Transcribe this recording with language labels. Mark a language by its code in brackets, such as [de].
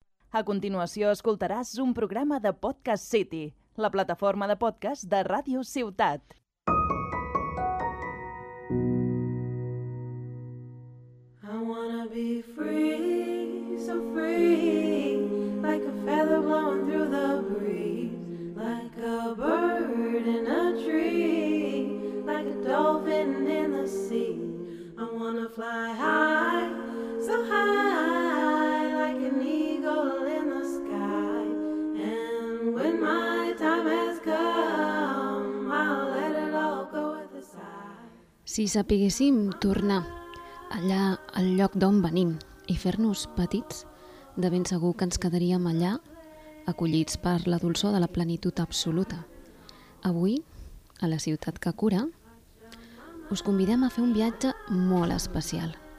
[ca] A continuació escoltaràs un programa de Podcast City, la plataforma de podcast de Ràdio Ciutat. [en] I wanna be free, so free, like a feather blowing through the breeze, like a bird in a tree, like a dolphin in the sea. I wanna fly high, so high, like an eagle in the sky. And when my time has come, I'll let it all go with a sigh. [ca] Si sapiguéssim tornar allà al lloc d'on venim i fer-nos petits, de ben segur que ens quedaríem allà, acollits per la dolçor de la plenitud absoluta. Avui, a la ciutat que cura, us convidem a fer un viatge molt especial.